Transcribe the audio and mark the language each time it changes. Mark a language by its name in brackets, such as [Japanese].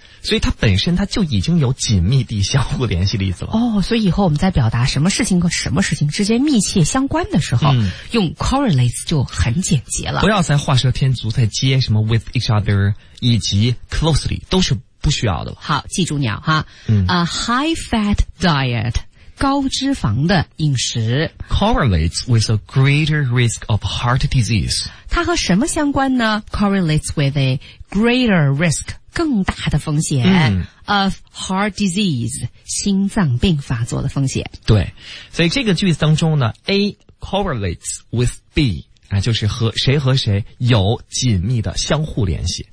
[Chinese] 所以它本身它就已经有紧密地相互联系的意思了。所以以后我们在表达什么事情和什么事情之间密切相关的时候，用 correlates 就很简洁了。不要再画蛇添足，再接什么 [English] with each other [Chinese] 以及 closely， 都是不需要的了。好，记住你啊， [English] A high fat diet [Chinese] 高脂肪的饮食 [English] correlates with a greater risk of heart disease. [Chinese] 它和什么相关呢 ？ [English] Correlates with a greater risk, [Chinese] 更大的风险、 [English] of heart disease, [Chinese] 心脏病发作的风险。对，所以这个句子当中呢 ， [English] A correlates with B。 [Chinese] 就是和谁和谁有紧密的相互联系。